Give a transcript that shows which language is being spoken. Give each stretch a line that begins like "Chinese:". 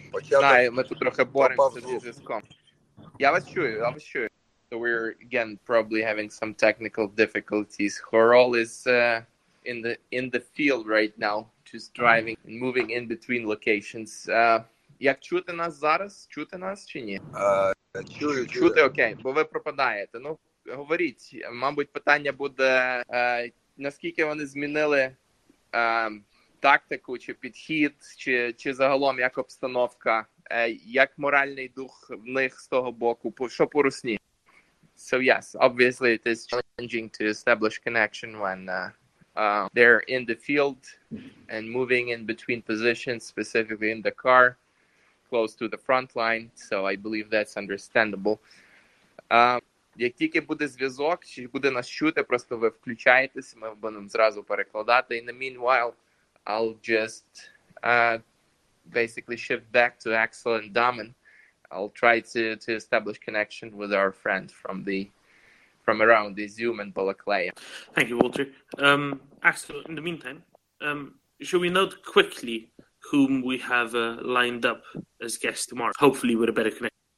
Ukrainian: Знаю, ми тут трохи боремося зі зв'язком. Я вас чую.
English: So we're again probably having some technical difficulties. Хорол is in the field right now, just driving and moving in between locations.
Ukrainian: Як чути нас зараз? Чути нас чи ні? Чути, окей, бо ви пропадаєте. Ну, говоріть, мабуть, питання буде, наскільки вони змінили тактику чи підхід, чи загалом як обстановка, як моральний дух в них з того боку, що по Русні?
English: So yes, obviously it is challenging to establish connection when they're in the field and moving in between positions, specifically in the car, close to the front line. So I believe that's understandable.
Ukrainian: Як тільки буде зв'язок, чи буде нас чути, просто ви включаєтесь, ми будемо зразу перекладати.
English: In the meanwhile, I'll just basically shift back to Axel and Damen. I'll try to establish connection with our friend from around the Zoom and Balaclaya. Thank you, Walter. Axel, in the meantime, shall we note quickly whom we have lined up as guests tomorrow, hopefully with a better connection?